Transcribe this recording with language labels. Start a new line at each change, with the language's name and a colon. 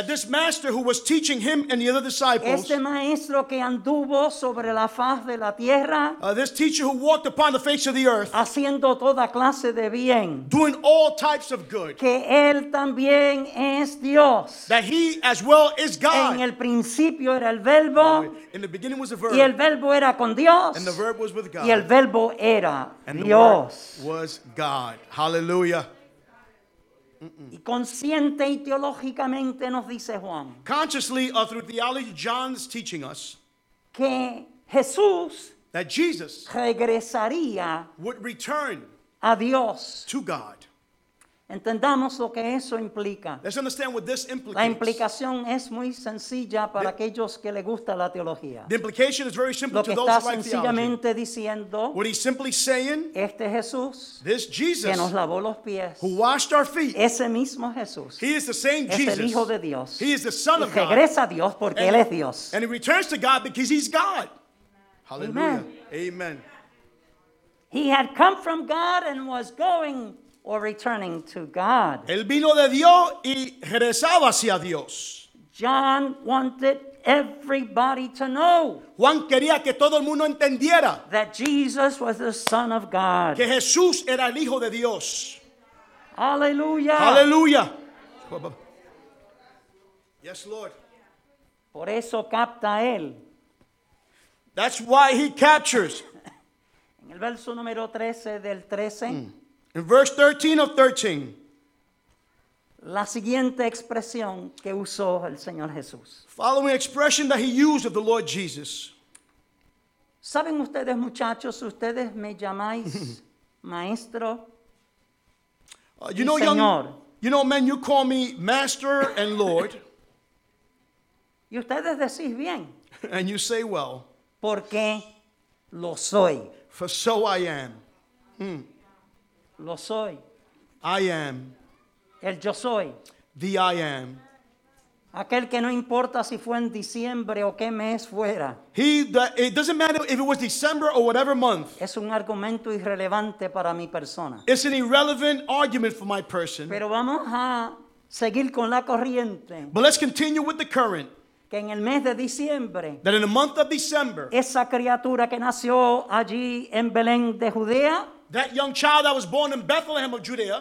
English: That this master who was teaching him and the other disciples.
Spanish: Este maestro que anduvo sobre la faz de la tierra.
English: This teacher who walked upon the face of the earth.
Spanish: Haciendo toda clase de bien.
English: Doing all types. Of good.
Spanish: Que él también es Dios.
English: That he as well is God.
Spanish: En el principio era el verbo.
English: In the beginning was the verb.
Spanish: Y el verbo era con Dios.
English: And the verb was with God.
Spanish: Y el verbo era
English: and
Spanish: Dios.
English: The word was God. Hallelujah.
Spanish: Mm-mm. Y consciente y teológicamente nos dice Juan.
English: Consciously or through theology, John is teaching us.
Spanish: Que Jesús.
English: That Jesus.
Spanish: Regresaría.
English: Would return.
Spanish: A Dios.
English: To God.
Spanish: Entendamos lo que eso implica.
English: Let's understand what this implicates.
Spanish: La implicación es muy sencilla para aquellos que les gusta la teología.
English: The implication is very simple
Spanish: lo que
English: to those who like
Spanish: está sencillamente
English: theology.
Spanish: Diciendo.
English: What he's simply saying.
Spanish: Este Jesús.
English: This Jesus.
Spanish: Que nos lavó los pies.
English: Who washed our feet.
Spanish: Ese mismo Jesús.
English: He is the same
Spanish: es
English: Jesus.
Spanish: Es el Hijo de Dios.
English: He is the Son of God.
Spanish: Y regresa a Dios porque Él es Dios.
English: And he returns to God because he's God. Hallelujah. Amen. Amen. He had come from God and was going or returning to God.
Spanish: El vino de Dios y regresaba hacia Dios.
English: John wanted everybody to know.
Spanish: Juan quería que todo el mundo entendiera.
English: That Jesus was the Son of God.
Spanish: Que Jesús era el Hijo de Dios. Hallelujah. Hallelujah.
English: Yes, Lord.
Spanish: Por eso capta él.
English: That's why he captures.
Spanish: En el verso número 13 del 13.
English: In verse 13 of 13.
Spanish: La siguiente expresión que usó el Señor Jesús.
English: Following expression that he used of the Lord Jesus.
Spanish: ¿Saben ustedes, muchachos, ustedes me llamáis maestro?
English: You know,
Spanish: Señor.
English: Men, you call me master and Lord.
Spanish: Y ustedes decís bien.
English: And you say well.
Spanish: Porque lo soy.
English: For so I am. Hmm.
Spanish: Lo soy.
English: I am.
Spanish: El yo soy.
English: The I am.
Spanish: Aquel que no importa si fue en diciembre o qué mes fuera.
English: It doesn't matter if it was December or whatever month.
Spanish: Es un argumento irrelevante para mi persona.
English: It's an irrelevant argument for my person.
Spanish: Pero vamos a seguir con la corriente.
English: But let's continue with the current.
Spanish: que en el mes de diciembre,
English: that in the month of December,
Spanish: esa criatura que nació allí en Belén de Judea,
English: that young child that was born in Bethlehem of Judea,